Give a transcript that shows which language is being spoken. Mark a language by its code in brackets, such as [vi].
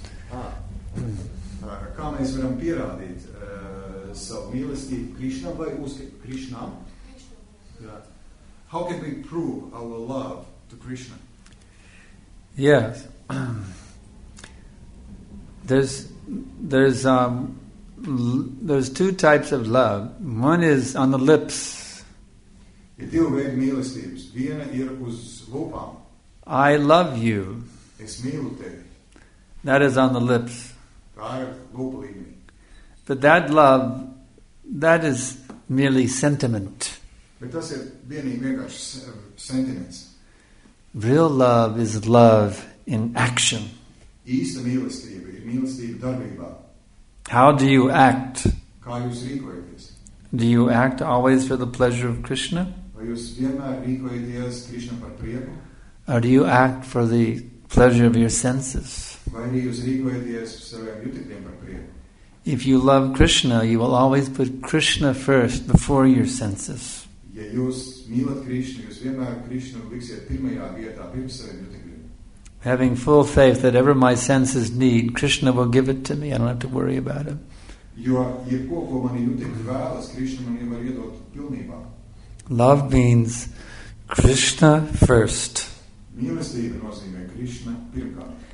[lv] Kā mēs varam pierādīt savu mīlestību Krišna vai uzskatīt Krišna? [en] Yeah. How can we prove our love to Krishna? Yes. There's two types of love. One is on the lips. [lv] Ir divi veidi mīlestības. Viena ir uz lūpām. [en] I love you. [lv] Es mīlu tevi. [en] That is on the lips. [lv] Tā ir lūpa līmenī. [en] But that love, that is merely sentiment. [lv] Bet tas ir vienīgi vienkārši sentiments. [en] Real love is love in action. [lv] Īsta mīlestība ir mīlestība darbībā. [en] How do you act? [lv] Kā jūs rīkojaties? [en] Do you act always for the pleasure of Krishna? [lv] Vai jūs vienmēr rīkojaties Krishna par prieku? [en] Or do you act for the pleasure of your senses? [lv] Vai jūs rīkojaties saviem jutekļiem par prieku? [en] If you love Krishna, you will always put Krishna first before your senses. [lv] Ja jūs mīlat Krishna, jūs vienmēr Krishna liksiet pirmajā vietā pirms saviem jutekļiem. [en] Having full faith that ever my senses need, Krishna will give it to me. I don't have to worry about it. [lv] Jo, jebko, ko mani jūtekļi vēlas, Krishna man jau var iedot pilnībā. [en] Love means Krishna first. [lv] Mīlestība nozīmē Krishna pirmkārt.